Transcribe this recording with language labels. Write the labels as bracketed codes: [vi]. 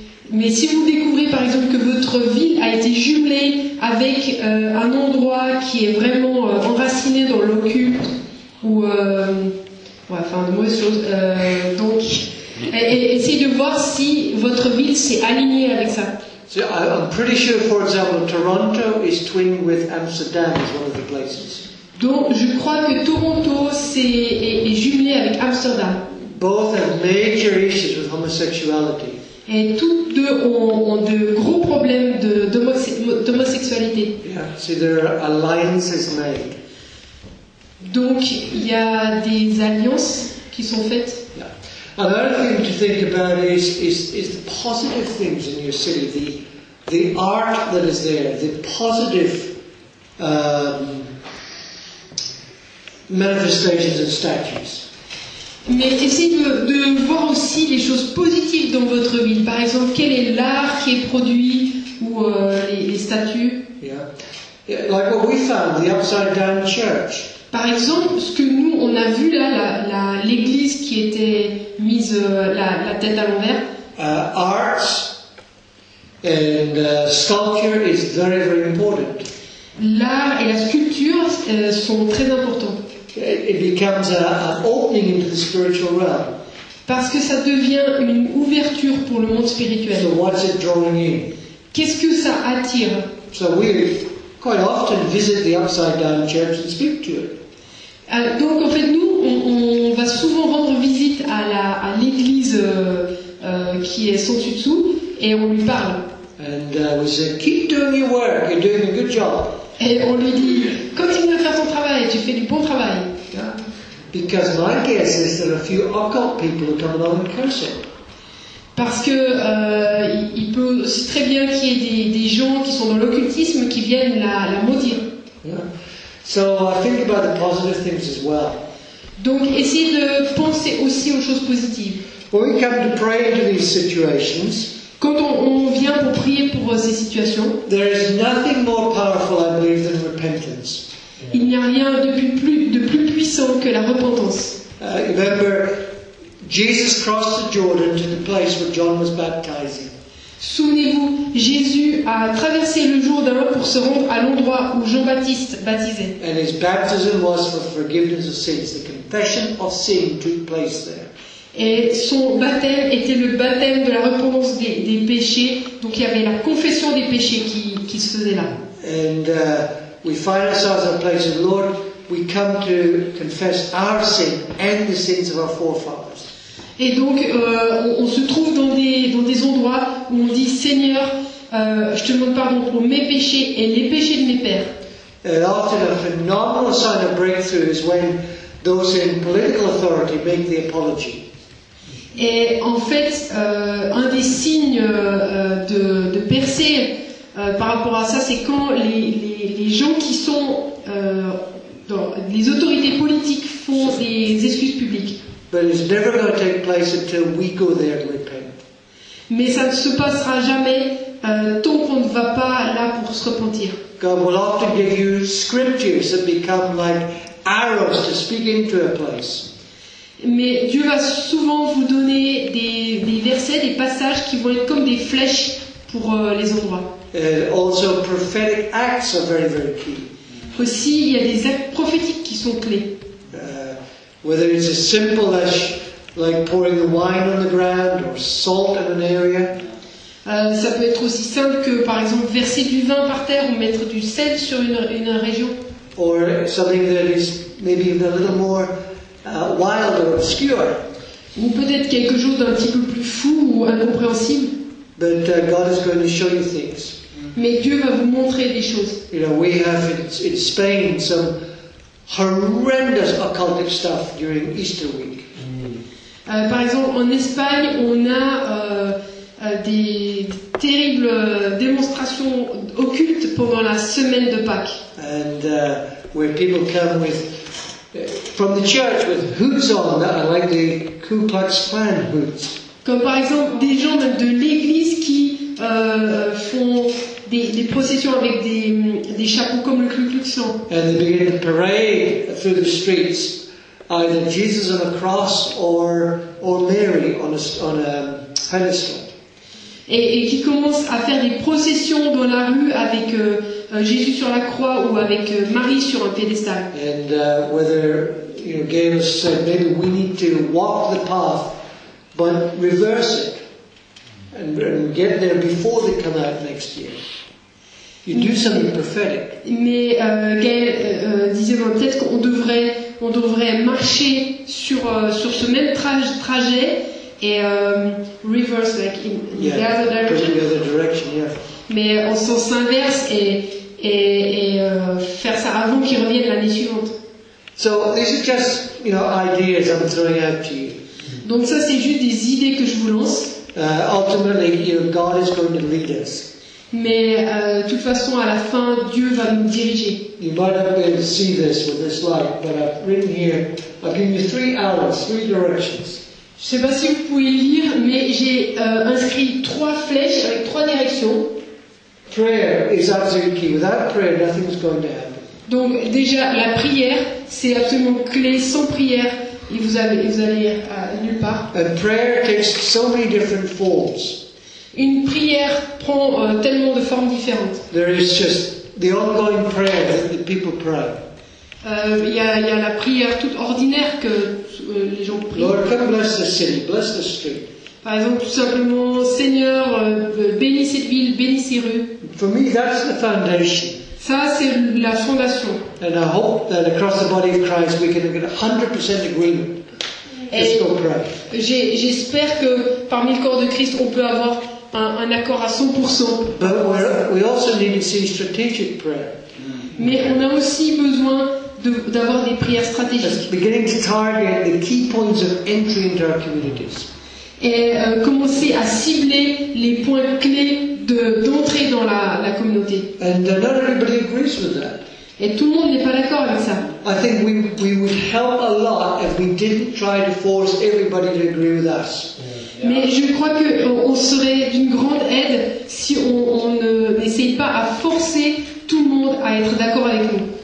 [fr] Mais si vous découvrez par exemple que votre ville a été jumelée avec un endroit qui est vraiment enraciné dans l'occulte ou de mauvaises choses, donc. Et essayez de voir si votre ville s'est alignée avec ça. [en] So I'm pretty sure, for example, Toronto is twinned with Amsterdam as one of the places. [fr] Donc, je crois que Toronto est jumelé avec Amsterdam. [en] Both have major issues with homosexuality. [fr] Et toutes deux ont de gros problèmes d'homosexualité. [en] Yeah, so there are alliances made. [fr] Donc, il y a des alliances qui sont faites. [en] Another thing to think about is the positive things in your city, the art that is there, the positive manifestations and statues. [fr] Mais essayez de voir aussi les choses positives dans votre ville. Par exemple, quel est l'art qui est produit ou les statues? [en] Yeah, like what we found, the upside down church. [fr] Par exemple, ce que nous on a vu là, l'église qui était mise la tête à l'envers. [en] Arts and sculpture is very very important. [fr] L'art et la sculpture sont très importants. [en] It becomes an opening into the spiritual realm. [fr] Parce que ça devient une ouverture pour le monde spirituel. [en] So what's it drawing in? [fr] Qu'est-ce que ça attire? [en] So we quite often visit the upside down church and speak to it. [fr] Donc en fait nous on va souvent rendre visite à l'église qui est sans dessus et on lui parle. [en] And we say, keep doing your work, you're doing a good job. [fr] Et on lui dit, continue à faire ton travail, tu fais du bon travail. [en] Because my guess is there are a few occult people who come along and curse it. [fr] Parce que il peut aussi très bien qu'il y ait des gens qui sont dans l'occultisme qui viennent la maudire. [en] Yeah. So think about the positive things as well. [fr] Donc essayez de penser aussi aux choses positives. [en] When we come to pray into these situations, [fr] quand on vient pour prier pour ces situations, [en] there is nothing more powerful, I believe, than repentance. Yeah. [fr] Il n'y a rien de plus puissant que la repentance. [en] Remember, Jesus crossed the Jordan to the place where John was baptizing. [fr] Souvenez-vous, Jésus a traversé le Jourdain pour se rendre à l'endroit où Jean-Baptiste baptisait. [en] And his baptism was for forgiveness of sins. The confession of sin took place there. [fr] Et son baptême était le baptême de la repentance des péchés. Donc il y avait la confession des péchés qui se faisait là. [en] And we find ourselves in a place of the Lord. We come to confess our sin and the sins of our forefathers. [fr] Et donc, on se trouve dans des endroits où on dit, Seigneur, je te demande pardon pour mes péchés et les péchés de mes pères. [en] And often a phenomenal sign of breakthrough is when those in political authority make the apology. [fr] Et en fait, un des signes de percée par rapport à ça, c'est quand les gens qui sont les autorités politiques font des excuses publiques. [en] But it's never going to take place until we go there and repent. [fr] Mais ça ne se passera jamais tant qu'on ne va pas là pour se repentir. [en] God will often give you scriptures that become like arrows to speak into a place. [fr] Mais Dieu va souvent vous donner des versets, des passages qui vont être comme des flèches pour les endroits. [en] Also, prophetic acts are very, very key. [fr] Aussi, il y a des actes prophétiques qui sont clés. [en] Whether it's as simple as like pouring the wine on the ground or salt in an area. [fr] Ça peut être aussi simple que, par exemple, verser du vin par terre ou mettre du sel sur une région. [en] Or something that is maybe even a little more wild or obscure. [fr] Ou peut-être quelque chose d'un petit peu plus fou ou incompréhensible. [en] But God is going to show you things. [fr] Mais Dieu va vous montrer des choses. [en] You know, we have in Spain some horrendous occultic stuff during Easter week. [fr] Par exemple, en Espagne, on a des terribles démonstrations occultes pendant la semaine de Pâques. [en] And where people come with from the church with hoods on, like the Ku Klux Klan hoods. [fr] Comme par exemple des gens même de l'église qui font des processions avec des chapeaux comme le Ku Klux Klan. [en] And they begin to parade through the streets, either Jesus on a cross or Mary on a pedestal. [fr] Et qui commencent à faire des processions dans la rue avec Jésus sur la croix ou avec Marie sur un pédestal. [en] And whether you know, Gaius said maybe we need to walk the path, but reverse it and get there before they come out next year. You do something prophetic. [fr] Mais Gaius disait ben, peut-être qu'on devrait marcher sur ce même trajet. Et [en] reverse, like in the other direction. The other direction, yeah. [fr] Mais en sens inverse et faire ça avant qu'ils reviennent l'année suivante. [en] So these are just, you know, ideas I'm throwing out to you. [fr] Donc ça c'est juste des idées que je vous lance. [en] Ultimately, you know, God is going to lead us. [fr] Mais de toute façon, à la fin, Dieu va nous diriger. [en] You might not be able to see this with this light, but I've written here. I've given you three arrows, three directions. [fr] Je ne sais pas si vous pouvez lire, mais j'ai inscrit trois flèches avec trois directions. [en] Prayer is absolutely key. Without prayer, nothing is going to happen. [fr] Donc déjà, la prière, c'est absolument clé. Sans prière, vous allez nulle part. [en] And prayer takes so many different forms. [fr] Une prière prend tellement de formes différentes. [en] There is just the ongoing prayer that the people pray. [fr] Il y a la prière toute ordinaire que les gens prient. [en] Lord, come bless the city, bless the street. [fr] Par exemple, tout simplement, Seigneur, bénis cette ville, bénis ces rues. [en] For me, that's the foundation. [fr] Ça, c'est la fondation. [en] And I hope that across the body of Christ, we can get 100% agreement. Let's go pray. [fr] J'espère que parmi le corps de Christ, on peut avoir un accord à 100%. [en] But we also need to see strategic prayer. [fr] Mais on a aussi besoin d'avoir des prières stratégiques. [en] Beginning to target the key points of entry into our communities. [fr] Et commencer à cibler les points clés d'entrée dans la communauté. [en] And not everybody agrees with that. [fr] Et tout le monde n'est pas d'accord avec ça. [en] I think we would help a lot if we didn't try to force everybody to agree with us. [fr] Mais je crois qu'on serait d'une grande aide si on n'essaye pas à forcer tout le monde à être d'accord avec nous.